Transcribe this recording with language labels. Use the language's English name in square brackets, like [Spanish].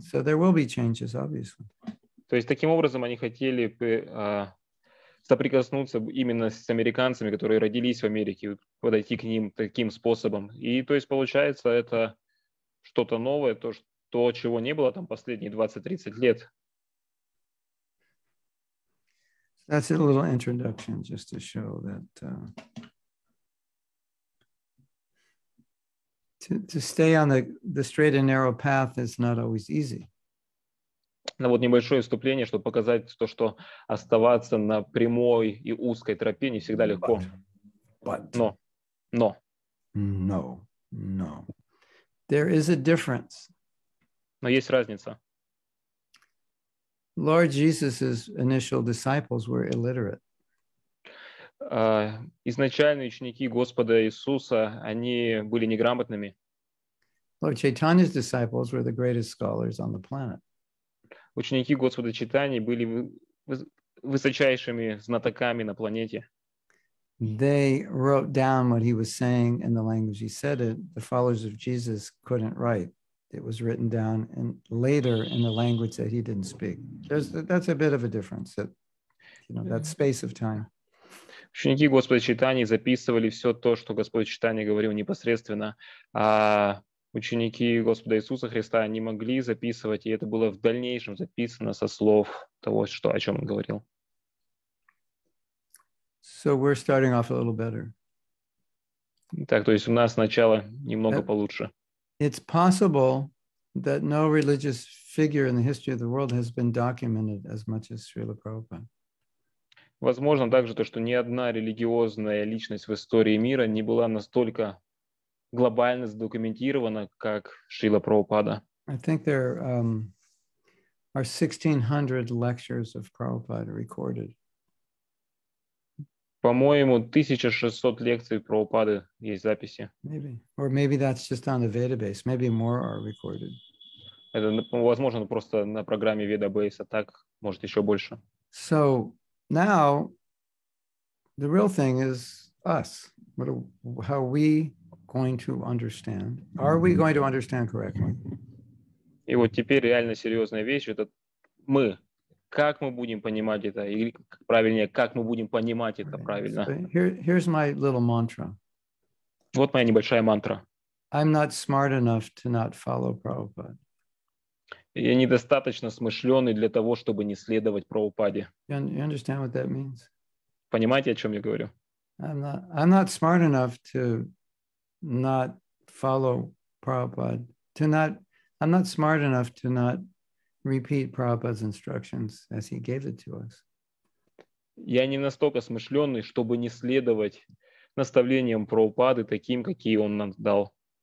[English] So there will be changes, obviously. [Russian] То есть таким образом они хотели бы соприкоснуться именно с американцами, которые родились в Америке, подойти к ним таким способом. И то есть получается это что-то новое, то чего не было там последние 20-30 лет. [English] That's a little introduction just to show that To stay on the straight and narrow path is not always easy. [Russian] Ну вот небольшое вступление, чтобы показать то, что оставаться на прямой и узкой тропе не всегда легко. [English] No. There is a difference. [Russian] Но есть разница. [English] Lord Jesus's initial disciples were illiterate. [Russian] Изначальные ученики Господа Иисуса, они были неграмотными. [English] Lord Chaitanya's disciples were the greatest scholars on the planet. [Russian] Ученики Господа Чайтаньи были высочайшими знатоками на планете. [English] They wrote down what he was saying in the language he said it. The followers of Jesus couldn't write. It was written down and later in the language that he didn't speak. That's a bit of a difference, that, you know, that space of time. [Russian] Ученики Господа Чайтаньи записывали все то, что Господь Чайтанья говорил непосредственно. А ученики Господа Иисуса Христа не могли записывать, и это было в дальнейшем записано со слов того, что, о чем он говорил. [English] So we're starting off a little better. [Russian] Так, то есть у нас начало немного получше. [English] It's possible that no religious figure in the history of the world has been documented as much as Srila Prabhupada. [Russian] Возможно также то, что ни одна религиозная личность в истории мира не была настолько глобально задокументирована, как Шрила Прабхупада. [English] I think there are 1600 lectures of Prabhupada recorded. [Russian] По-моему, 1600 лекций Прабхупады есть записи. [English] Maybe. Or maybe that's just on the Veda base. Maybe more are recorded. [Russian] Это, возможно, просто на программе Veda base, а так, может, еще больше. [English] So now the real thing is us. How are we going to understand? Are we going to understand correctly? [Russian] И вот теперь реально серьезная вещь — это мы. Как мы будем понимать это? Или правильнее, как мы будем понимать это правильно? [English] Here's my little mantra. [Russian] Вот моя небольшая мантра. [English] I'm not smart enough to not follow Prabhupada. [Russian] Я недостаточно смышленый для того, чтобы не следовать Прабхупаде. [English] You understand what that means? [Russian] Понимаете, о чем я говорю? [English] I'm not smart enough to not follow Prabhupada. I'm not smart enough to not repeat Prabhupada's instructions as he gave it to us. [Russian] Я не настолько смышленый, чтобы не следовать наставлениям Прабхупады таким, какие он нам дал.